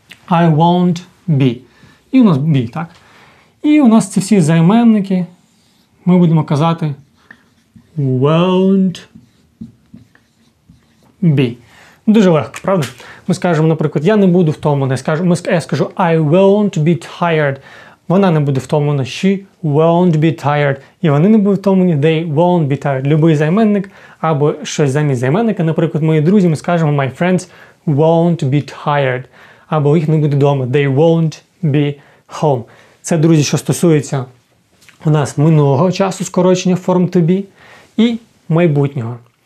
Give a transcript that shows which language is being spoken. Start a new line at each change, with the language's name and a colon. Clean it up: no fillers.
English: I won't be.
Ukrainian: І у нас be, так? І у нас ці всі займенники. Ми будемо казати won't be. Дуже легко, правда? Ми скажемо, наприклад, я не буду втомлений. Я скажу
English: I won't be tired.
Ukrainian: Вона не буде втомлена.
English: She won't be tired.
Ukrainian: І вони не будуть втомлені.
English: They won't be tired.
Ukrainian: Любий займенник або щось замість займенника. Наприклад, мої друзі, ми скажемо
English: my friends won't be tired.
Ukrainian: Або їх не буде вдома.
English: They won't be home.
Ukrainian: Це, друзі, що стосується у нас минулого часу скорочення форм to be і майбутнього.